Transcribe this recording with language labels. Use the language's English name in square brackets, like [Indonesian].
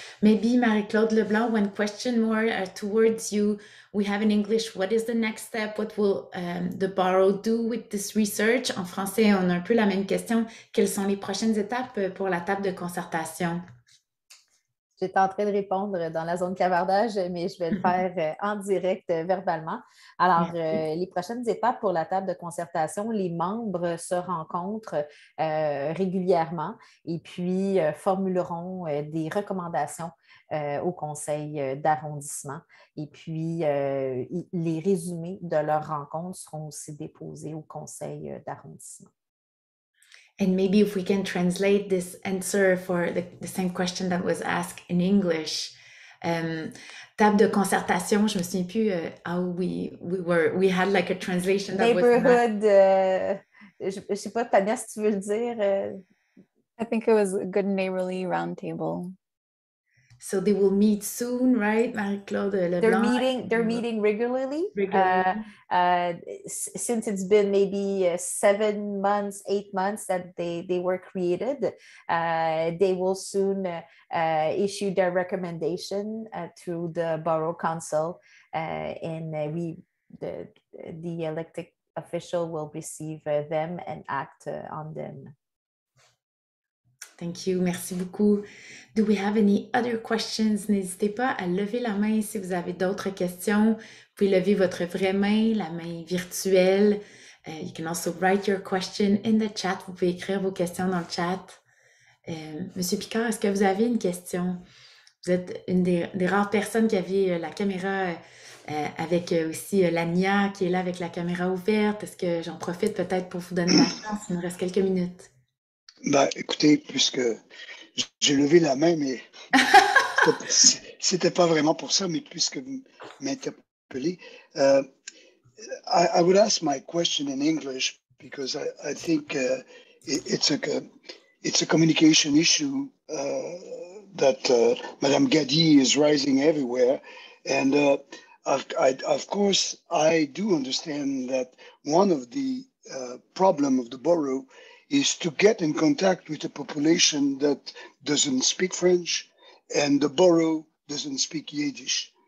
[English] Maybe Marie-Claude Leblanc, one question more towards you. We have in English, what is the next step? What will the Barreau do with this research? [French] En français, on a un peu la même question. Quelles sont les prochaines étapes pour la table de concertation? J'étais en train de répondre dans la zone clavardage, mais je vais le faire en direct verbalement. Alors, les prochaines étapes pour la table de concertation, les membres se rencontrent régulièrement et puis formuleront des recommandations au conseil d'arrondissement. Et puis, les résumés de leurs rencontres seront aussi déposés au conseil d'arrondissement. [English] And maybe if we can translate this answer for the same question that was asked in English. [French] Table de concertation, je me souviens plus [English] how we had like a translation that neighborhood, was not... [French] je sais pas, Tania, si tu veux le dire. [English] I think it was a good neighborly round table. So they will meet soon, right, Marie-Claude Leblanc? They're meeting regularly. Since it's been maybe 7 months, 8 months that they were created, they will soon issue their recommendation to the Borough Council, and the elected official will receive them and act on them. Thank you. [French] Merci beaucoup. [English] Do we have any other questions? [French] N'hésitez pas à lever la main si vous avez d'autres questions. Vous pouvez lever votre vraie main, la main virtuelle. [English] You can also write your question in the chat. [French] Vous pouvez écrire vos questions dans le chat. Monsieur Picard, est-ce que vous avez une question? Vous êtes une des rares personnes qui avait la caméra avec aussi Lania qui est là avec la caméra ouverte. Est-ce que j'en profite peut-être pour vous donner la chance? Il nous reste quelques minutes. Bah, écoutez, puisque J'ai levé la main, mais c'était pas vraiment pour ça, mais puisque vous m'interpellez. [English] I would ask my question in English because I think it's a communication issue that Madame Gadi is rising everywhere. And of course, I do understand that one of the problem of the borough is to get in contact with a population that doesn't speak French and the borough doesn't speak Yiddish.